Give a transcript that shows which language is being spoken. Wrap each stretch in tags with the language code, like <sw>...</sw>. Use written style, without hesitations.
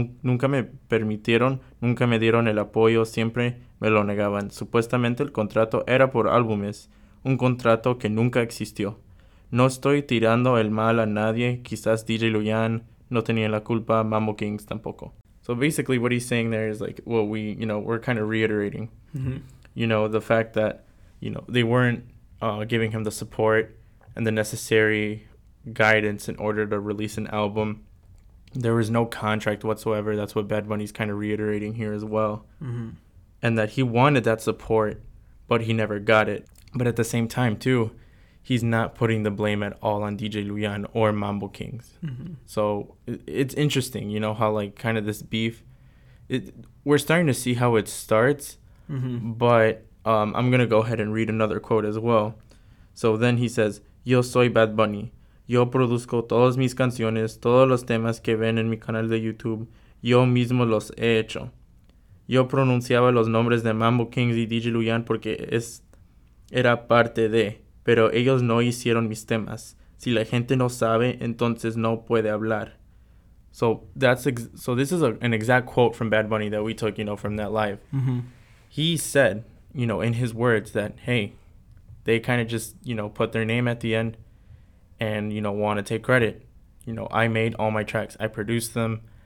<es>Nunca me permitieron, nunca me dieron el apoyo, siempre me lo negaban. Supuestamente el contrato era por álbumes, un contrato que nunca existió. No estoy tirando el mal a nadie, quizás DJ Luian no tenía la culpa, Mambo Kingz tampoco.</es> <en>So basically what he's saying there is like, well, we, you know, we're kind of reiterating, you know, the fact that, you know, they weren't giving him the support and the necessary guidance in order to release an album. There was no contract whatsoever. That's what Bad Bunny's kind of reiterating here as well. And that he wanted that support, but he never got it. But at the same time too, he's not putting the blame at all on DJ Luian or Mambo Kingz. So it's interesting, you know, how like kind of this beef, we're starting to see how it starts. But I'm gonna go ahead and read another quote as well. So then he says,</en> <es>yo soy Bad Bunny. Yo produzco todas mis canciones, todos los temas que ven en mi canal de YouTube, yo mismo los he hecho. Yo pronunciaba los nombres de Mambo Kingz y DJ Luian porque era parte de, pero ellos no hicieron mis temas. Si la gente no sabe, entonces no puede hablar.</es> <en>So that's this is an exact quote from Bad Bunny that we took, you know, from that live. He said, you know, in his words that, hey, they kind of just, you know, put their name at the end. And, you know, want to take credit. You know, I made all my tracks. I produced them.</en>